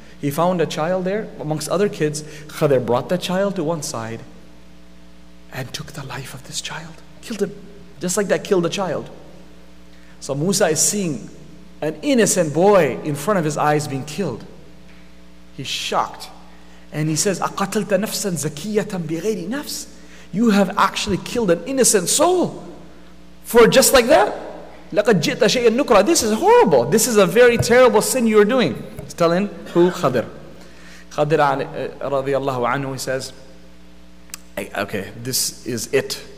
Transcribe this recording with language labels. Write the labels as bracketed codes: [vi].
[en] He found a child there amongst other kids. Khadir brought the child to one side and took the life of this child. Killed him. Just like that, killed the child. So Musa is seeing an innocent boy in front of his eyes being killed. He's shocked. And he says, [ar] أَقَتَلْتَ نَفْسًا زَكِيَّةً بِغَيْرِ نَفْسِ. [en] You have actually killed an innocent soul for just like that. [ar] لَقَدْ جِئْتَ شَيْءٍ نُكْرًا. [en] This is horrible. This is a very terrible sin you're doing. He's telling who? Khadir. Khadir رضي الله عنه, he says, okay, this is it.